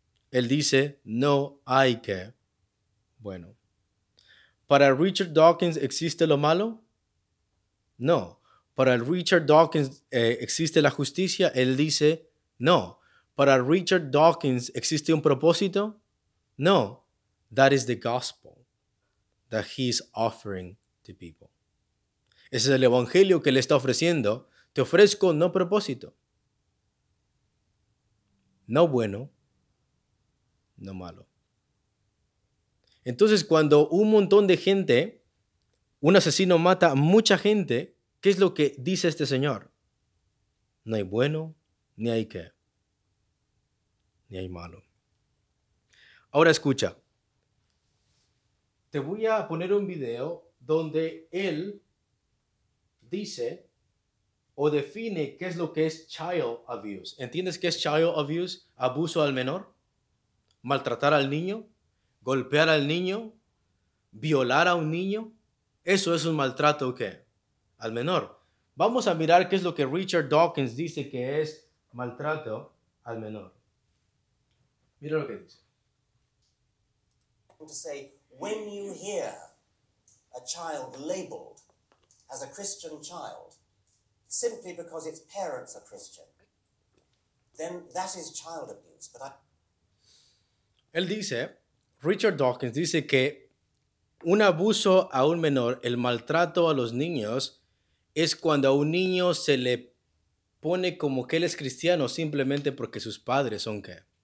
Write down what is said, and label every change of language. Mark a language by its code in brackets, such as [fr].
[es] Él dice, no hay que. Bueno, ¿para Richard Dawkins existe lo malo? No. ¿Para Richard Dawkins existe la justicia? Él dice, no. ¿Para Richard Dawkins existe un propósito? No. [en] That is the gospel that he is offering to people. [es] Ese es el evangelio que le está ofreciendo. Te ofrezco no propósito. No bueno. No malo. Entonces, cuando un montón de gente, un asesino mata a mucha gente, ¿qué es lo que dice este señor? No hay bueno, ni hay qué. Ni hay malo. Ahora escucha. Te voy a poner un video donde él dice o define qué es lo que es child abuse. ¿Entiendes qué es child abuse? Abuso al menor. Maltratar al niño, golpear al niño, violar a un niño, eso es un maltrato ¿qué? Al menor. Vamos a mirar qué es lo que Richard Dawkins dice que es maltrato al menor. Mira lo que dice. [en] To say, when you hear a child labeled as a Christian child simply because its parents are Christian, then that is child abuse, but [es] Él dice, Richard Dawkins dice que un abuso a un menor, el maltrato a los niños, es cuando a un niño se le pone como que él es cristiano simplemente porque sus padres son qué.